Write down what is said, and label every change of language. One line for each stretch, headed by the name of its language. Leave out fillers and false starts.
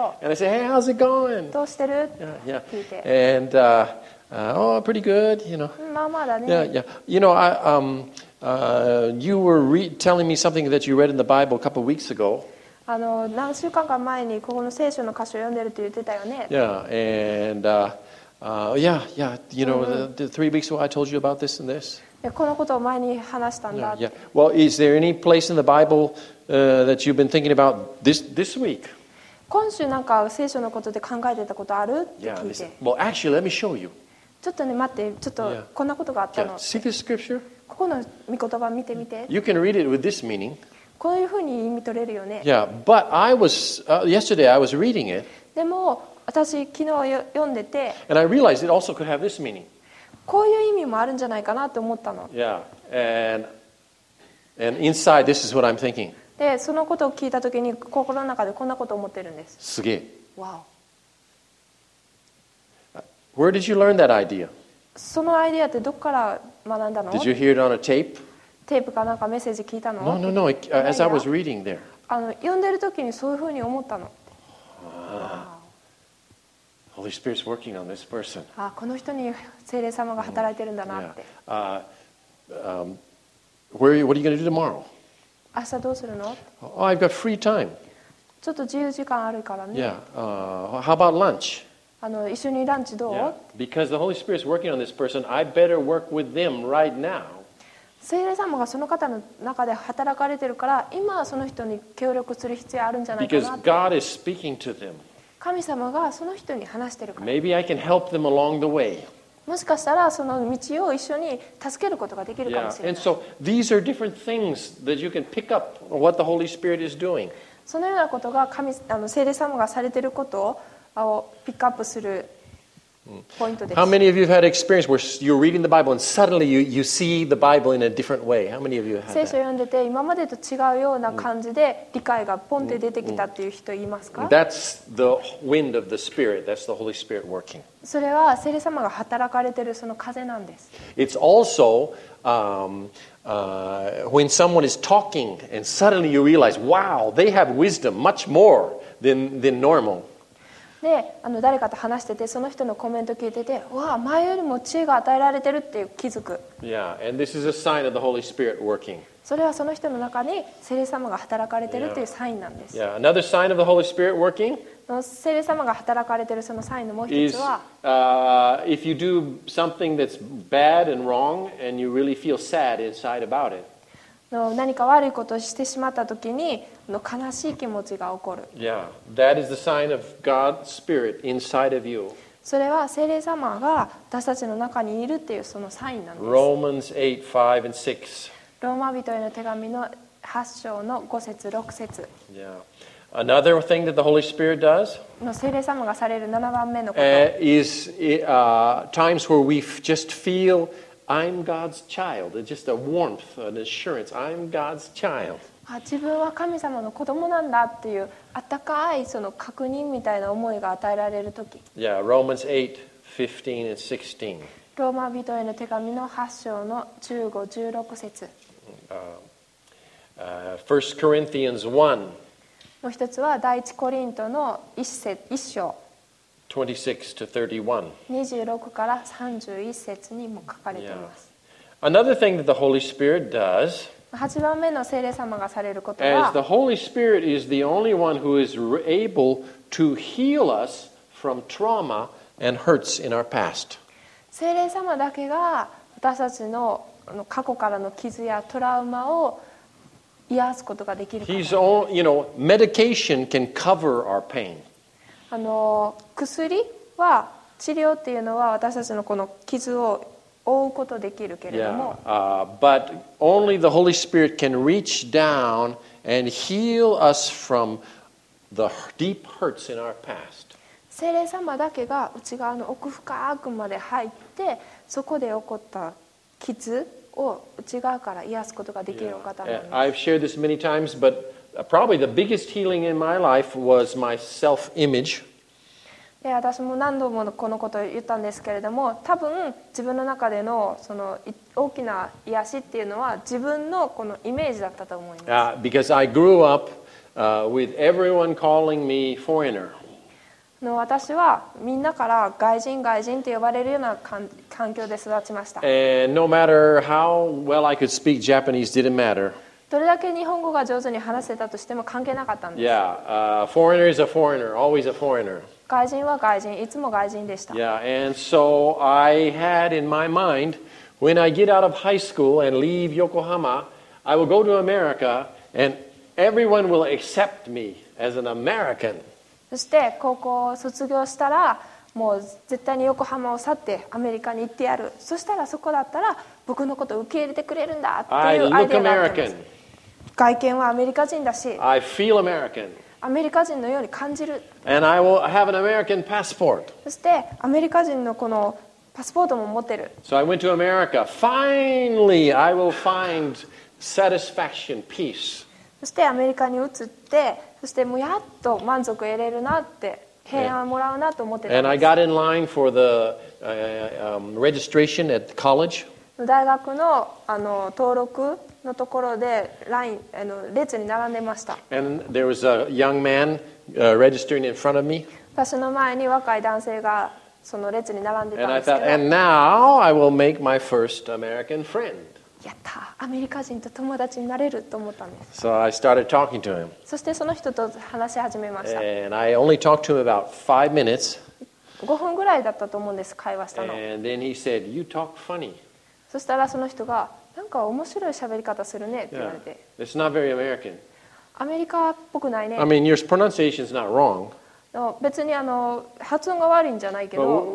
English: yeah. And I say, hey, how's it going?
Japanese: どうしてる？
English: Yeah, yeah.
Japanese: 聞いて、
English: and oh, pretty good, you know.
Japanese: まあまあだね。
English: Yeah, yeah. You know, you were telling me something that you read in the Bible a couple of weeks ago.
Japanese: 何週間か前にここの聖書の箇所を読んでるって言ってたよね。
English: Yeah, and yeah, yeah. You know, the three weeks ago, I told you about this and this.
Japanese: このことを前に話したんだ。
English: Yeah, yeah. Well, is there any place in the Bible, that you've been thinking about this week?
Japanese: 今週なんか聖書のことで考えてたことあるって聞いて。
English: Yeah, well, actually, let me show you.
Japanese: ちょっとね、待って、ちょっとこんなことがあったの。
English: See this scripture?
Japanese: ここの御言葉見てみて。
English: You can read it with this meaning.
Japanese: こういうふうに意味取れるよね。
English: Yeah, but I was, yesterday I was reading it.
Japanese: でも、私昨日読んでて。
English: And I realized it also could have this meaning.
Japanese: こういう意味もあるんじゃないかなと思ったの。
English: Yeah, and inside this is what I'm thinking.
Japanese: で、そのことを聞いたときに心の中でこんなことを思ってるんです。すげえ。
English: Wow. Where did you learn that idea?
Japanese: そのアイデアってどこから学んだの?
English: Did you hear it on a tape?
Japanese: テープかなんかメッセージ聞いたの?
English: No, no, no. As I was reading there.
Japanese: 読んでるときにそういうふうに思ったの。
English: Holy Spirit's working on this person.
Japanese: ああ、この人に聖霊様が働いてるんだなって。
English: What are you going to do tomorrow?
Japanese: 明日どうするの?
English: Oh, I've got free time.
Japanese: ちょっと自由時間あるからね。
English: Yeah. How about lunch?
Japanese: 一緒にランチどう?
English: Yeah. Because the Holy Spirit's working on this person, I better work with them right now.
Japanese: 聖霊様がその方の中で働かれてるから、今はその人に協力する必要あるんじゃないかなって。
English: Because God is speaking to them.
Japanese: 神様がその人に話してるから。
English: Maybe I can help them along the way.
Japanese: もしかしたらその道を一緒に助けることができるかもしれない。
English: Yeah. And so these are different things that you can pick up what the Holy Spirit is doing.
Japanese: そのようなことが神聖霊様がされていることをピックアップするポイントです。
English: How many of you have had experience where you're reading the Bible and suddenly you see the Bible in a different way? How many of you have had?
Japanese: 聖書読んでて今までと違うような感じで理解がポンって出てきたっていう人いますか
English: ？That's the wind of the Spirit. That's the Holy Spirit working.
Japanese: それは聖霊様が働かれてるその風なんです。
English: It's also when someone is talking and suddenly you realize, wow, they have wisdom much more than normal.
Japanese: で誰かと話してて、その人のコメント聞いてて、わあ、前よりも知恵が与えられてるって気づく。
English: Yeah, and this is a sign of the Holy Spirit working.
Japanese: それはその人の中に聖霊様が働かれてるっていうサインなんです。
English: Yeah, another sign of the Holy Spirit working.
Japanese: 聖霊様が働かれてるそのサインのもう一つは、
English: if you do something that's bad and wrong and you really feel sad inside about it.
Japanese: 何か悪いことをしてしまった時に、悲しい気持ちが起こる。
English: Yeah, that is the sign of God's Spirit inside of you.
Japanese: それは聖霊様が私たちの中にいるっていうそのサインなんです。
English: Romans 8, 5 and 6.
Japanese: ローマ人への手紙の8章の5節、6節。
English: Yeah. Another thing that the Holy Spirit does?
Japanese: の聖霊様がされる7番目のこと。
English: Is times where we just feel I'm God's child. It's just a warmth, an assurance. I'm God's child.
Japanese: あ、自分は神様の子供なんだっていう温かいその確認みたいな思いが与えられるとき。
English: Yeah, Romans 8, 15 and 16.
Japanese: ローマ人への手紙の8章の15、16節。
English: First Corinthians 1.
Japanese: もう一つは第一コリントの1章。
English: 26 to 31.
Japanese: 26から31節にも書かれています。
English: Yeah. Another thing that the Holy Spirit does.
Japanese: 8番目の聖霊様がされることは、
English: As the Holy Spirit is the only one who is able to heal us from trauma and hurts in our past.
Japanese: 聖霊様だけが私たちの過去からの傷やトラウマを癒すことができるから。
English: He's all, you know, medication can cover our pain.
Japanese: 薬は治療っていうのは私たちのこの傷を追うことできるけれども、
English: But only the Holy Spirit can reach down and heal us from the deep hurts in our past.
Japanese: 聖霊様だけが内側の奥深くまで入って、そこで起こった傷を内側から癒すことができるお方なんです。
English: Yeah. I've shared this many times, but probably the biggest healing in my life was my self-image.
Japanese: で私も何度もこのことを言ったんですけれども、多分自分の中で その大きな癒しっていうのは自分 このイメージだったと思います。
English: Because I grew up with everyone calling me foreigner.
Japanese: 私はみんなから外人外人って呼ばれるような環境で育ちました。
English: And no matter how well I could speak Japanese, didn't matter.
Japanese: どれだけ日本語が上手に話せたとしても関係なかったんです。
English: Yeah, foreigner is a foreigner, always a foreigner.
Japanese: 外人は外人、いつも外人でした。
English: Yeah, and so I had in my mind, when I get out of high school and leave Yokohama, I will go to America and everyone will accept me as an American.
Japanese: そして高校を卒業したら、もう絶対に横浜を去ってアメリカに行ってやる。そしたらそこだったら僕のことを受け入れてくれるんだっていうアイデアがあったんです。外見はアメリカ人だし、
English: I feel American.
Japanese: アメリカ人のように感じる。
English: And I will have an American passport.
Japanese: そしてアメリカ人のこのパスポートも持ってる。
English: So I went to America. Finally, I will find satisfaction, peace.
Japanese: そしてアメリカに移って、そしてもうやっと満足を得れるなって。
English: And I got in line for the registration at college.
Japanese: 大学の登録のところでライン列に並んでました。
English: And there was a young man registering in front of me.
Japanese: 私の前に若い男性がその列に並んでたんですけど。
English: And I thought, and now I will make my first American friend.
Japanese: やった、アメリカ人と友達になれると思ったんです。
English: So I started talking to him.
Japanese: そしてその人と話し始めました。
English: And I only talked to him about 5 minutes.
Japanese: 5分ぐらいだったと思うんです、会話したの。
English: And then he said, "You talk funny."
Japanese: そしたらその人が、なんか面白い喋り方するねって言われて。
English: Yeah. It's not very American.
Japanese: アメリカっぽくないね。
English: I mean, your pronunciation is not wrong.
Japanese: 別に発音が悪いんじゃないけど。